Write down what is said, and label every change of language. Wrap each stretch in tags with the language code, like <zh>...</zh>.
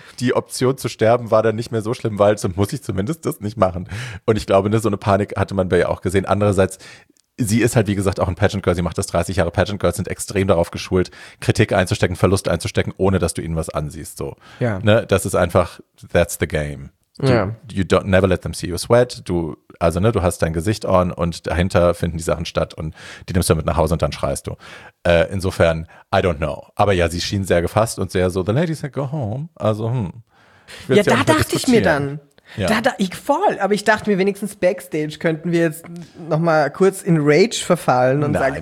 <de>Die Option zu sterben war dann nicht mehr so schlimm, weil so muss ich zumindest das nicht machen. Und ich glaube, so eine Panik hatte man bei ihr auch gesehen. Andererseits, sie ist halt, wie gesagt, auch ein Pageant Girl. Sie macht das 30 Jahre. Pageant Girls sind extrem darauf geschult, Kritik einzustecken, Verlust einzustecken, ohne dass du ihnen was ansiehst, so. Ja. Ne? Das ist einfach,</de> <en>that's the game. You don't never let them see you sweat.</en> <de>Du hast dein Gesicht on und dahinter finden die Sachen statt und die nimmst du mit nach Hause und dann schreist du. Insofern,</de> <en>I don't know.</en> <de>Aber ja, sie schien sehr gefasst und sehr so,</de> <en>the lady said go home.</en> <de>Also, Ja, da dachte ich mir dann. Ja. Aber ich dachte mir, wenigstens backstage könnten wir jetzt nochmal kurz in Rage verfallen und sagen,</de>